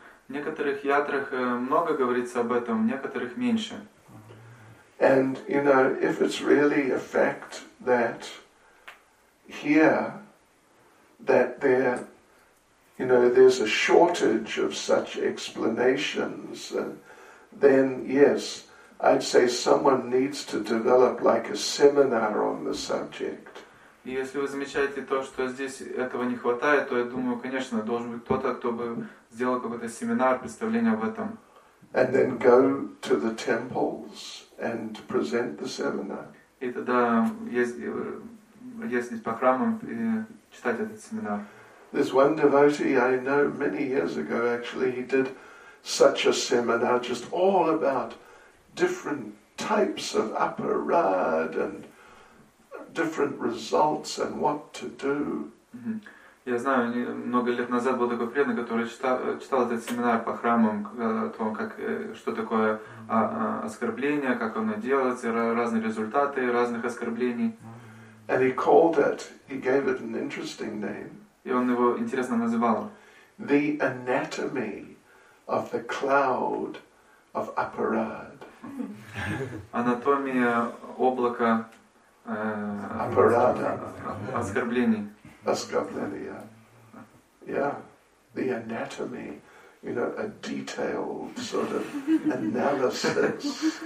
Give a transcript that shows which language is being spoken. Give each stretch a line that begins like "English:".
Russian: В некоторых ятрах много говорится об этом, в некоторых меньше.
English: And, you know, if it's really a fact that here, that there, you know, there's a shortage of such explanations, then yes, I'd say someone needs to develop like a seminar on the subject.
Russian: Если вы замечаете то, что здесь этого не хватает, то я думаю, конечно, должен быть кто-то, кто бы сделал какой-то семинар, представление об этом.
English: And then go to the temples and present the seminar.
Russian: И тогда ездить по храмам и читать этот семинар.
English: This one devotee I know many years ago actually he did such a seminar just all about different types of upper rad and different results and what to do.
Russian: Я знаю, много лет назад был такой преданный, который читал этот семинар по храмам, о том, как, что такое оскорбление, как оно делается, разные результаты разных оскорблений.
English: And he called it, he gave it an interesting name.
Russian: И он его интересно называл.
English: The anatomy of the cloud of Aparad.
Russian: Анатомия облака Апарада. Оскорблений.
English: Оскорбления. Yeah. The anatomy, you know, a detailed sort of analysis.